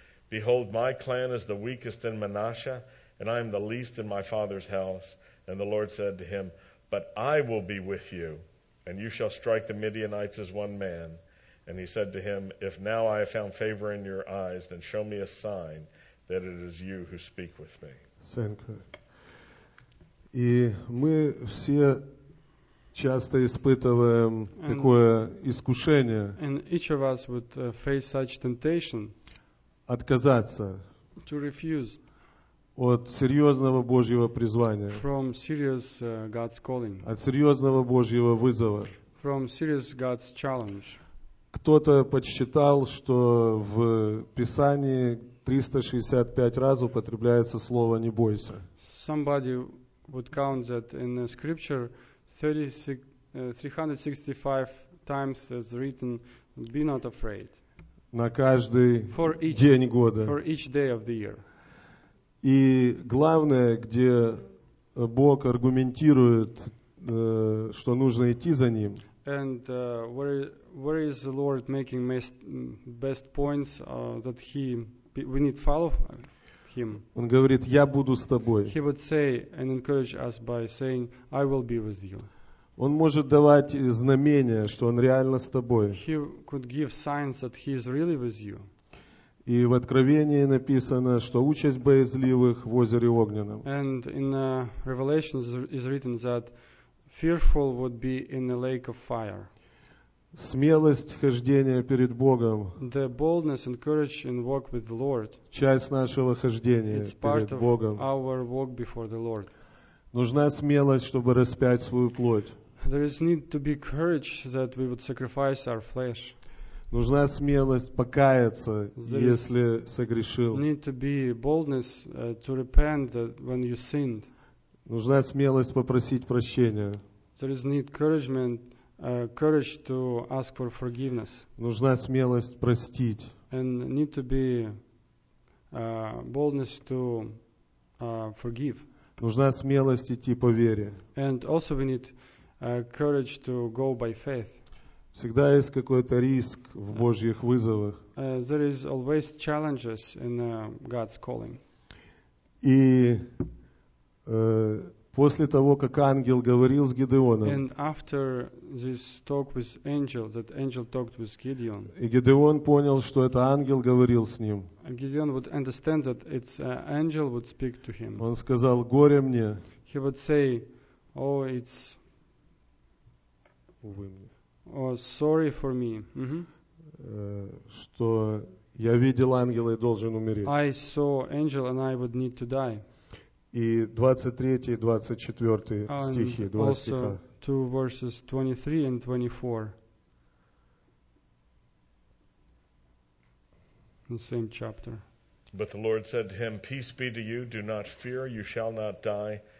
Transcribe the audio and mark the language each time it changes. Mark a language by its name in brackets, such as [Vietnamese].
[English] Behold, my clan is the weakest in Manasseh, and I am the least in my father's house." And the Lord said to him, "But I will be with you, and you shall strike the Midianites as one man." And he said to him, "If now I have found favor in your eyes, then show me a sign that it is you who speak with me." [Russian] И мы все часто испытываем такое искушение. [English] And each of us would face such temptation. [Russian] Отказаться. [English] To refuse. [Russian] От серьезного Божьего призвания. [English] From serious God's calling. [Russian] От серьезного Божьего вызова. [English] From serious God's challenge. [Russian] Кто-то подсчитал, что в Писании 365 раз употребляется слово «не бойся». [English] Somebody would count that in the scripture 365 times is written, be not afraid. [Russian] На каждый день года. [English] For each day of the year. [Russian] И главное, где Бог аргументирует, что нужно идти за Ним. [English] And where is the Lord making best points that we need follow Him? [Russian] Он говорит, я буду с тобой. [English] He would say and encourage us by saying, I will be with you. [Russian] Он может давать знамения, что он реально с тобой. [English] He could give signs that he is really with you. [Russian] И в Откровении написано, что участь боязливых в озере огненном. [English] And in Revelation is written that fearful would be in the lake of fire. [Russian] Смелость хождения перед Богом. [English] The boldness and courage in walk with the Lord. [Russian] Часть нашего хождения перед Богом. [English] It's part of our walk before the Lord. [Russian] Нужна смелость, чтобы распять свою плоть. [English] There is need to be courage that we would sacrifice our flesh. [Russian] Нужна смелость покаяться, если согрешил. [English] Need to be boldness to repent when you sinned. [Russian] Нужна смелость попросить прощения. [English] There is need courage to ask for forgiveness. [Russian] Нужна смелость простить. [English] And need to be boldness to forgive. [Russian] Нужна смелость идти по вере. [English] And also we need courage to go by faith. [Russian] Всегда есть какой-то риск в Божьих вызовах. [English] There is always challenges in God's calling. [Russian] И после того, как ангел говорил с Гедеоном. [English] And after this talk with angel, that angel talked with Gideon. [Russian] И Гедеон понял, что это ангел говорил с ним. [English] Gideon would understand that it's angel would speak to him. [Russian] Он сказал: «Горе мне». [English] He would say, "Oh, it's sorry for me." Mm-hmm. [Russian] Что я видел ангела и должен умереть. [English] I saw angel and I would need to die. [Russian] И 23 и 24 стихи, два стиха. [English] Also two verses 23 and 24. In the same chapter. But the Lord said to him, "Peace be to you, do not fear, you shall not die."